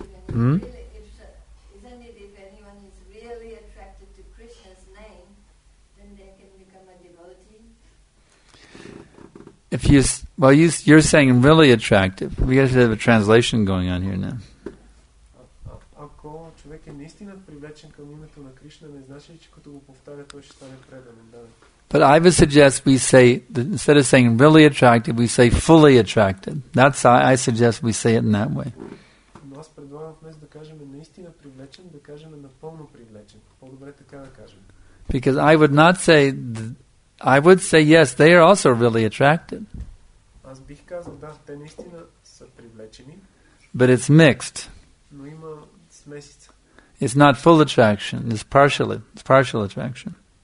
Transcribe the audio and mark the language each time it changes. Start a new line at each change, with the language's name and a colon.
English: Isn't it, if anyone is really attracted to Krishna's name, then they can become a devotee? If you, well, you, you're saying really attractive. We have to have a translation going on here now.
Bulgarian: Ако човек е наистина привлечен към името на Кришна, не значи ли, че като го повтаря, той ще стане предан?
English: But I would suggest we say, instead of saying really attractive, we say fully attracted. That's why I suggest we say it in that way.
Bulgarian: Но аз предлагам вместо да кажем наистина привлечен, да кажем напълно привлечен. По-добре така да кажем.
English: Because I would not say, I would say yes, they are also really attracted.
Bulgarian: Аз бих казал, да, те наистина са привлечени.
English: But it's mixed.
Bulgarian: Но има смесица.
English: It's not full attraction, it's partial attraction.